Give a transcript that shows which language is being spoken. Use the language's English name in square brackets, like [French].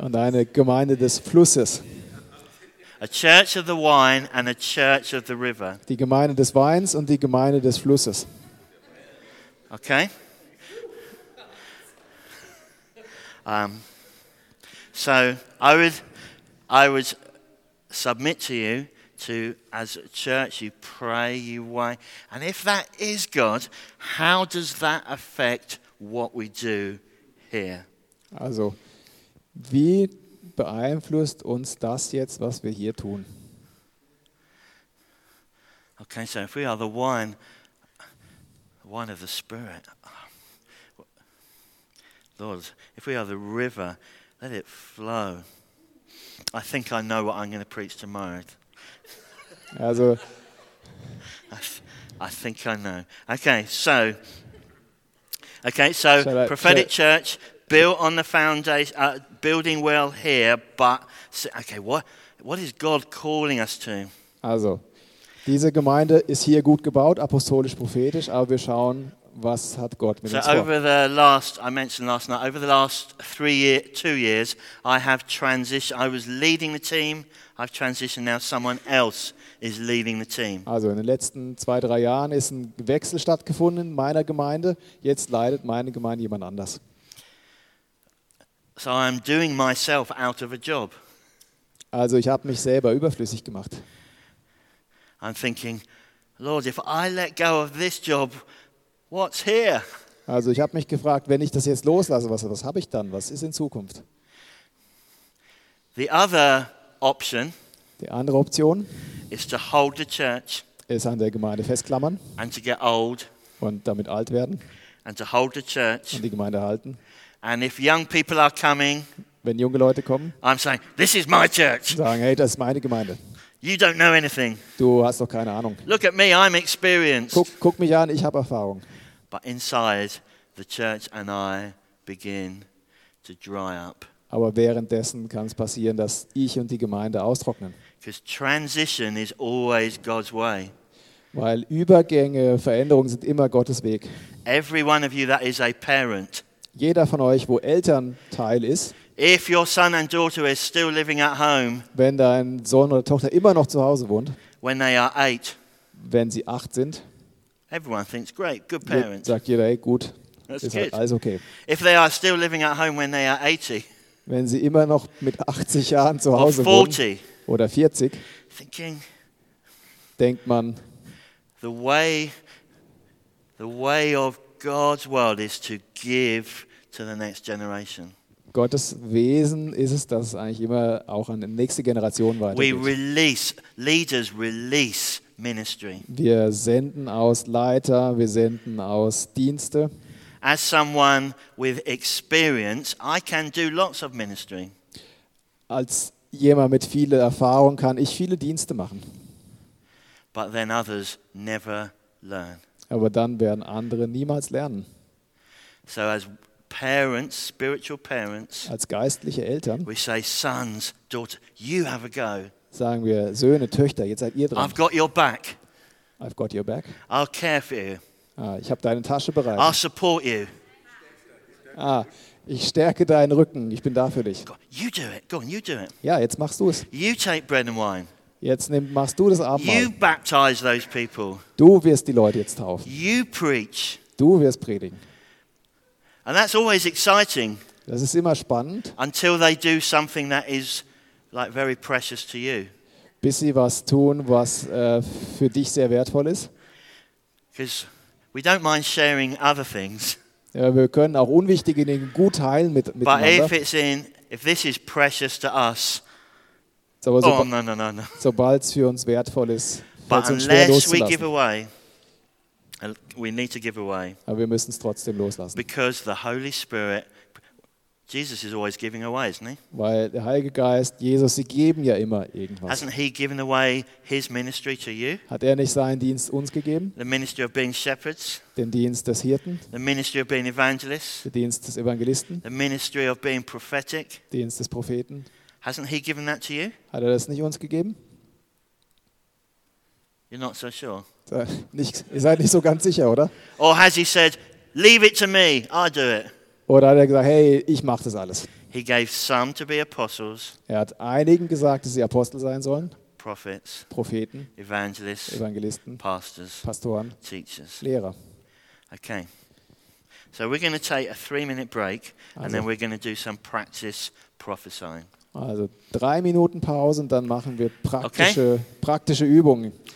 [German] Und eine Gemeinde des Flusses. [English] A church of the wine and a church of the river. [German] Die Gemeinde des Weins und die Gemeinde des Flusses. [English] Okay. So I would submit to you to as a church you pray you wait and if that is God, how does that affect what we do here? [German] Also, wie beeinflusst uns das jetzt, was wir hier tun? [English] Okay, so if we are the wine of the Spirit, Lord, if we are the river. Let it flow. I think I know what I'm going to preach tomorrow. [German] Also, [English] I think I know. Okay, so prophetic church built on the foundation, building well here. But okay, what is God calling us to? [German] Also, diese Gemeinde ist hier gut gebaut, apostolisch, prophetisch. Aber wir schauen, was hat Gott mit so uns vor? [English] So over the last, I mentioned last night, over the last two years, I have transitioned, I was leading the team, I've transitioned now, someone else is leading the team. [German] Also in den letzten 2-3 Jahren ist ein Wechsel stattgefunden in meiner Gemeinde, jetzt leitet meine Gemeinde jemand anders. [English] So I'm doing myself out of a job. [German] Also ich habe mich selber überflüssig gemacht. [English] I'm thinking, Lord, if I let go of this job, what's here? [German] Also ich habe mich gefragt, wenn ich das jetzt loslasse, was habe ich dann? Was ist in Zukunft? [English] The other option. [German] Die andere Option [English] is to hold the church. [German] Ist an der Gemeinde festklammern. [English] And to get old. [German] Und damit alt werden. [English] And to hold the church. [German] Und die Gemeinde halten. [English] And if young people are coming, [German] wenn junge Leute kommen, [English] I'm saying, this is my church. [German] Sagen, hey, das ist meine Gemeinde. [English] You don't know anything. [German] Du hast doch keine Ahnung. [English] Look at me, I'm experienced. [German] Guck mich an, ich habe Erfahrung. [English] But inside, the church and I begin to dry up. [German] Aber währenddessen kann es passieren, dass ich und die Gemeinde austrocknen. [English] Because transition is always God's way. [German] Weil Übergänge, Veränderungen sind immer Gottes Weg. [English] Every one of you that is a parent. [German] Jeder von euch, wo Elternteil ist. [English] If your son and daughter is still living at home. [German] Wenn dein Sohn oder Tochter immer noch zu Hause wohnt. [English] When they are 8. [German] Wenn sie 8 sind. [English] Everyone thinks great, good parents. [German] Sagt jeder, hey, gut. [English] That's ist good. [German] Alles okay. [English] If they are still living at home when they are 80. [German] Wenn sie immer noch mit 80 Jahren zu Hause wohnen. Oder 40. [English] Thinking, [German] denkt man. [English] The way of God's world is to give to the next generation. [German] Gottes Wesen ist es, dass es eigentlich immer auch an die nächste Generation weitergeht. [English] We release, leaders release ministry. [German] Wir senden aus Leiter, wir senden aus Dienste. [English] As someone with experience, I can do lots of ministry. [German] Als jemand mit viel Erfahrung kann ich viele Dienste machen. [English] But then others never learn. [German] Aber dann werden andere niemals lernen. [English] So as parents, spiritual parents, [German] als geistliche Eltern, [English] we say, sons, daughter, you have a go. [German] Sagen wir, Söhne, Töchter, jetzt seid ihr dran. [English] I've got your back. I've got your back. I'll care for you. [German] Ah, ich habe deine Tasche bereit. [English] I'll support you. [German] Ah, ich stärke deinen Rücken. Ich bin da für dich. [English] You do it. Go on, you do it. [German] Ja, jetzt machst du es. [English] You take bread and wine. [German] Jetzt machst du das Abendmahl. [English] You baptize those people. [German] Du wirst die Leute jetzt taufen. [English] You preach. [German] Du wirst predigen. [English] And that's always exciting. [German] Das ist immer spannend. [English] Until they do something that is like very precious to you. [German] Bis sie was tun, was für dich sehr wertvoll ist. [English] Because we don't mind sharing other things. [German] Ja, wir können auch unwichtige Dinge gut teilen miteinander. [English] But if this is precious to us. [German] Aber sobald es für uns wertvoll ist, fällt es uns schwer loszulassen. [English] We give away, we need to give away. [German] Aber wir müssen es trotzdem loslassen. [English] Because the Holy Spirit, Jesus is always giving away, isn't he? [German] Weil der Heilige Geist, Jesus, sie geben ja immer irgendwas. [English] Hasn't he given away his ministry to you? [German] Hat er nicht seinen Dienst uns gegeben? [English] The ministry of being shepherds. [German] Den Dienst des Hirten. [English] The ministry of being evangelists. [German] Den Dienst des Evangelisten. [English] The ministry of being prophetic. [German] Dienst des Propheten. [English] Hasn't he given that to you? [German] Hat er das nicht uns gegeben? [English] You're not so sure. [German] Ihr seid nicht so ganz sicher, oder? [English] Or has he said, leave it to me, I'll do it. [German] Oder hat er gesagt, hey, ich mach das alles. [English] He gave some to be apostles. [German] Er hat einigen gesagt, dass sie Apostel sein sollen. [English] Prophets. [German] Propheten. [English] Evangelists. [German] Evangelisten. [English] Pastors. [German] Pastoren. [English] Teachers. [German] Lehrer. [English] Okay. So we're going to take a 3-minute break and then we're going to do some practice prophesying. [German] Also 3 Minuten Pause und dann machen wir praktische Übungen.